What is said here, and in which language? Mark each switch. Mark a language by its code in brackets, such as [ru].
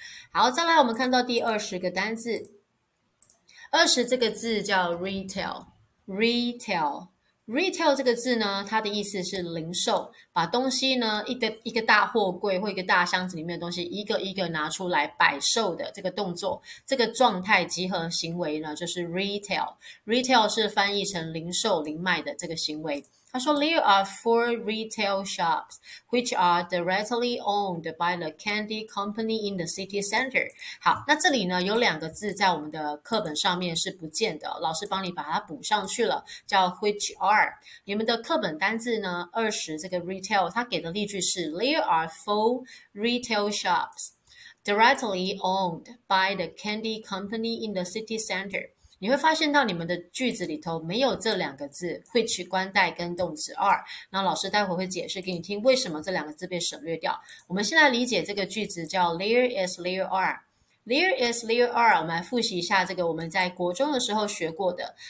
[zh] 好，再来我们看到第20个单字。20这个字叫 retail 这个字呢，它的意思是零售，把东西呢一个大货柜或一个大箱子里面的东西一个一个拿出来摆售的这个动作，这个状态集合行为呢就是 retail。 retail 是翻译成零售、零卖的这个行为。他说 [en] There are 4 retail shops which are directly owned by the candy company in the city center. [zh] 好，那这里呢有两个字在我们的课本上面是不见的，老师帮你把它补上去了，叫 which are。你们的课本单字呢20这个 retail 它给的例句是 [en] There are 4 retail shops directly owned by the candy company in the city center。 [zh] 你会发现到你们的句子里头没有这两个字 which 冠带跟动词 are，那老师待会会解释给你听为什么这两个字被省略掉。我们现在理解这个句子叫 there is there are。There is, there are。我们来复习一下这个我们在国中的时候学过的。